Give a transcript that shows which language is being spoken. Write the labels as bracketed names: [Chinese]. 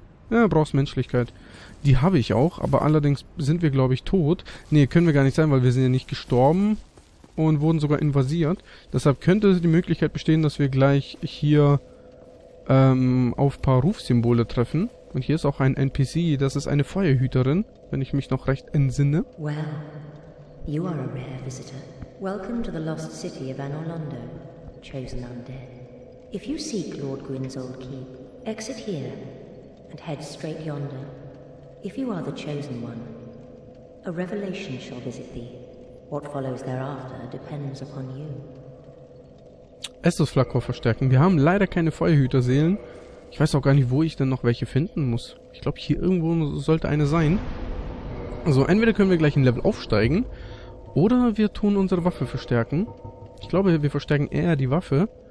[German] Ja, brauchst Menschlichkeit. Die habe ich auch, aber allerdings sind wir, glaube ich, tot. Nee, können wir gar nicht sein, weil wir sind ja nicht gestorben. Und wurden sogar invasiert. Deshalb könnte die Möglichkeit bestehen, dass wir gleich hier auf ein paar Rufsymbole treffen. Und hier ist auch ein NPC. Das ist eine Feuerhüterin, wenn ich mich noch recht entsinne. [English] Well, you are a rare visitor. Welcome to the lost city of Anor Londo, chosen undead. If you seek Lord Gwyn's old keep, exit here and head straight yonder. If you are the chosen one, a revelation shall visit thee. What follows thereafter depends upon you. [German] Estus-Flakor verstärken. Wir haben leider keine Feuerhüterseelen. Ich weiß auch gar nicht, wo ich denn noch welche finden muss. Ich glaube, hier irgendwo sollte eine sein. Also, entweder können wir gleich ein Level aufsteigen. Oder wir tun unsere Waffe verstärken. Ich glaube, wir verstärken eher die Waffe.